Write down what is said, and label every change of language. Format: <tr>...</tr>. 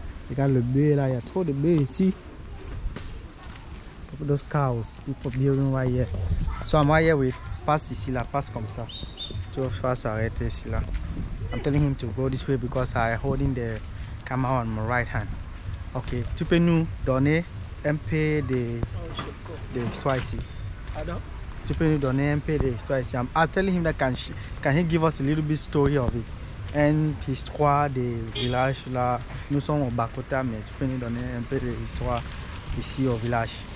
<en>You got the bay there, you throw the bay, see? Look at those cows, people building right here. So I'm right here with.</en> <fr>Passe ici là, passe comme ça. Tu vas s'arrêter ici là.</fr> <en>I'm telling him to go this way because I'm holding the camera on my right hand.</en> <fr>Ok, tu peux nous donner un peu de toi ici. Pardon? Tu peux nous donner un peu de toi ici.</fr> <en>I'm telling him that can he give us a little bit story of it?</en> <fr>Une histoire des villages là. Nous sommes au Bakota, mais tu peux nous donner un peu d'histoire ici au village.</fr>